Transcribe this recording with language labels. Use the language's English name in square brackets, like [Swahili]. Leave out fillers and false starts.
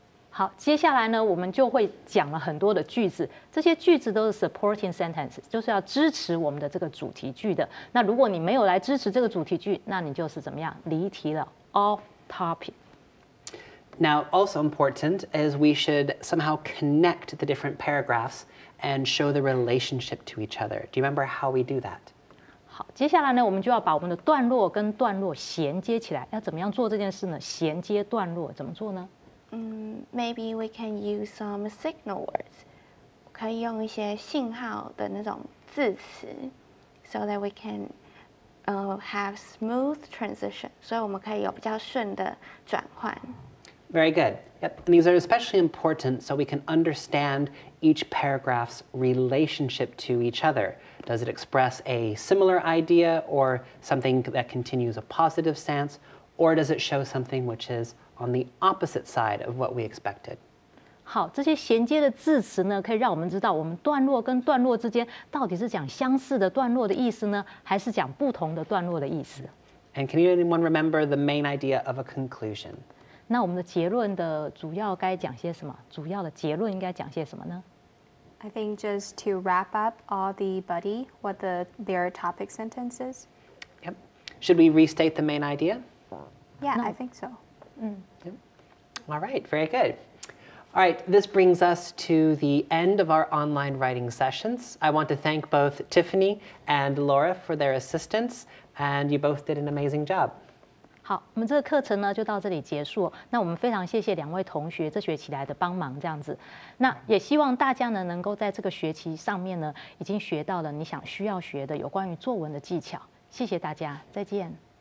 [Chinese] 好，接下来呢，我们就会讲了很多的句子，这些句子都是 supporting sentence， 就是要支持我们的这个主题句的。那如果你没有来支持这个主题句，那你就是怎么样，离题了 ， [English] off topic。 Now, also important is we should somehow connect the different paragraphs and show the relationship to each other. Do you remember how we do that? [Chinese] 好，接下来呢，我们就要把我们的段落跟段落衔接起来。要怎么样做这件事呢？衔接段落怎么做呢？ [English] Maybe we can use some signal words. [Chinese] 可以用一些信号的那种字词 [English] so that we can have smooth transition. [Chinese] 所以我们可以有比较顺的转换 [English] Very good. Yep. These are especially important so we can understand each paragraph's relationship to each other. Does it express a similar idea or something that continues a positive stance? Or does it show something which is... on the opposite side of what we expected. [Chinese] 好，这些衔接的字词呢，可以让我们知道我们段落跟段落之间到底是讲相似的段落的意思呢，还是讲不同的段落的意思。 [English] And can anyone remember the main idea of a conclusion? [Chinese] 那我们的结论的主要该讲些什么？主要的结论应该讲些什么呢？ [English] I think just to wrap up all the body, what their topic sentences. Yep. Should we restate the main idea? Yeah, no. I think so. Mm. All right, very good. All right, this brings us to the end of our online writing sessions. I want to thank both Tiffany and Laura for their assistance, and you both did an amazing job. [Chinese] 好，我们这个课程呢就到这里结束。那我们非常谢谢两位同学这学期来的帮忙，这样子。那也希望大家呢能够在这个学期上面呢已经学到了你想需要学的有关于作文的技巧。谢谢大家，再见。